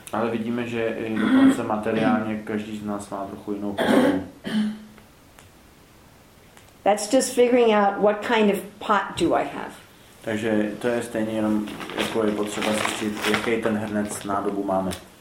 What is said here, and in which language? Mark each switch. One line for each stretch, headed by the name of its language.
Czech: Ale vidíme, že i dokonce materiálně každý z nás má trochu jinou povahu.
English: That's just figuring out what kind of pot do I have.
Czech: Takže to je stejně jenom, jako je potřeba zjistit, jaký ten hrnec nádobu máme.